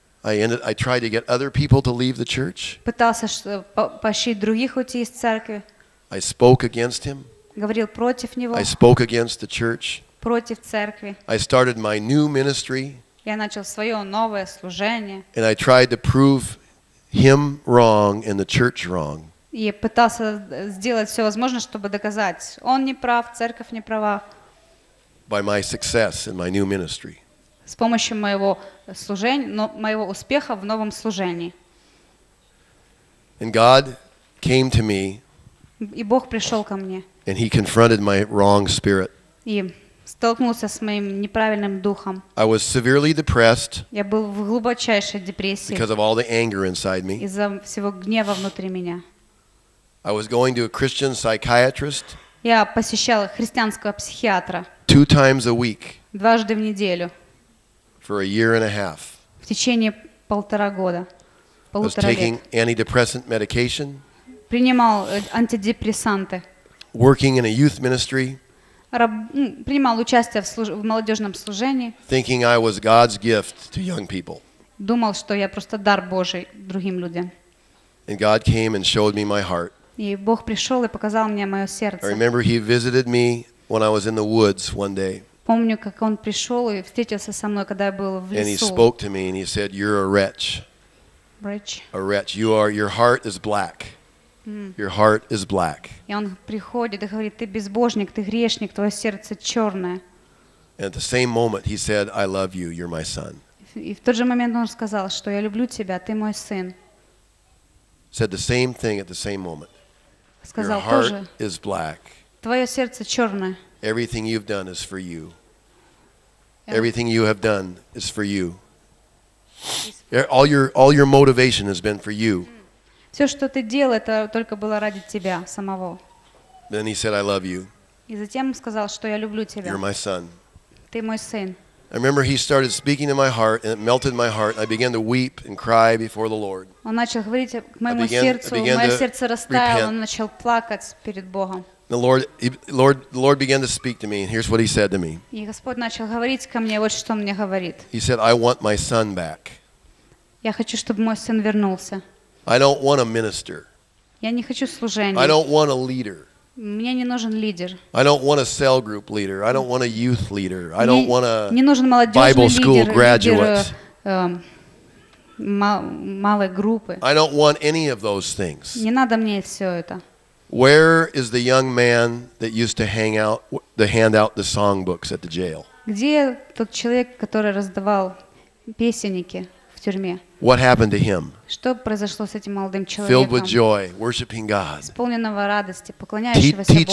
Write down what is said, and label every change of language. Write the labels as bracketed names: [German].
[English] I tried to get other people to leave the church. [Russian] Пытался поощрить других уйти из церкви. [English] I spoke against him. [Russian] Говорил против него. [English] I spoke against the church. [Russian] Против церкви. [English] I started my new ministry. [Russian] Я начал свое новое служение. [English] And I tried to prove him wrong and the church wrong. [Russian] И пытался сделать все возможное, чтобы доказать, он не прав, церковь не права. [English] By my success in my new ministry. [Russian] С помощью моего служения, моего успеха в новом служении. [English] And God came to me. [Russian] И Бог пришел ко мне. [English] And he confronted my wrong spirit. [Russian] И столкнулся с моим неправильным духом. [English] I was severely depressed. [Russian] Я был в глубочайшей депрессии. [English] Because of all the anger inside me. [Russian] Из-за всего гнева внутри меня. [English] I was going to a Christian psychiatrist. [Russian] Я посещал христианского психиатра. [English] Two times a week. [Russian] Дважды в неделю. [English] For a year and a half. [Russian] В течение полтора года. [English] I was taking antidepressant medication. [Russian] Принимал антидепрессанты. [English] Working in a youth ministry. [Russian] Принимал участие в молодежном служении. [English] Thinking I was God's gift to young people. [Russian] Думал, что я просто дар Божий другим людям. [English] And God came and showed me my heart. [Russian] И Бог пришел и показал мне мое сердце. [English] I remember he visited me when I was in the woods one day. [Russian] Помню, как он пришел и встретился со мной, когда я был в лесу. [English] And he spoke to me and he said, "You're a wretch." Wretch. A wretch. You are. Your heart is black. Your heart is black. [Russian] И он приходит и говорит: "Ты безбожник, ты грешник, твое сердце черное." [English] And at the same moment he said, "I love you. You're my son." [Russian] И в тот же момент он сказал, что я люблю тебя, ты мой сын. [English] Said the same thing at the same moment. [Russian] Сказал тоже. [English] Your heart is black. [Russian] Твое сердце черное. [English] Everything you've done is for you. Everything you have done is for you. All your motivation has been for you. [Russian] Все, что ты делал, это только было ради тебя самого. [English] Then he said, "I love you." [Russian] И затем сказал, что я люблю тебя. [English] You're my son. [Russian] Ты мой сын. [English] I remember he started speaking to my heart, and it melted my heart. I began to weep and cry before the Lord. [Russian] Он начал говорить к моему сердцу, мое сердце растаяло, он начал плакать перед Богом. [English] The Lord began to speak to me, and here's what he said to me. [Russian] И Господь начал говорить ко мне, вот что мне говорит. [English] He said, "I want my son back." [Russian] Я хочу, чтобы мой сын вернулся. [English] I don't want a minister. [Russian] Я не хочу служения. [English] I don't want a leader. [Russian] Мне не нужен лидер. [English] I don't want a cell group leader. I don't want a youth leader. I don't want a [Russian] не нужен молодежный [English] Bible school [Russian] лидер, [English] graduate. [Russian] Лидер, малой группы. [English] I don't want any of those things. [Russian] Не надо мне все это. [English] Where is the young man that used to hand out the songbooks at the jail? [Russian] Где тот человек, который раздавал песенники в тюрьме? [English] What happened to him? [Russian] Что произошло с этим молодым человеком? [English] Filled with joy, worshiping God. [Russian] Исполненного радости, поклоняющегося Богу.